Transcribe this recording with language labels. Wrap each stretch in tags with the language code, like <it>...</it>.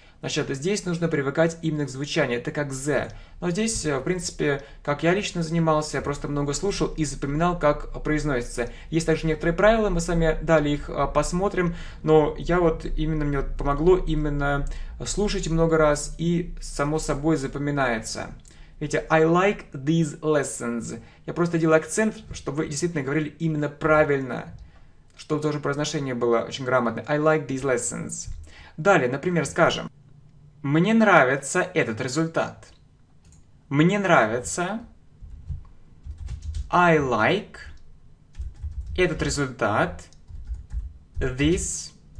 <ru>Значит, здесь нужно привыкать именно к звучанию. Это как z. Но здесь, в принципе, как я лично занимался, я просто много слушал и запоминал, как произносится. Есть также некоторые правила, мы с вами далее их посмотрим. Но я вот именно мне вот помогло именно слушать много раз и само собой запоминается.</ru> <en>Видите, I like these lessons.</en> <ru>Я просто делаю акцент, чтобы вы действительно говорили именно правильно, чтобы тоже произношение было очень грамотное.</ru> <en>I like these lessons. Далее, например, скажем.</en> <ru>Мне нравится этот результат. Мне нравится.</ru> <en>I like этот результат. This</en>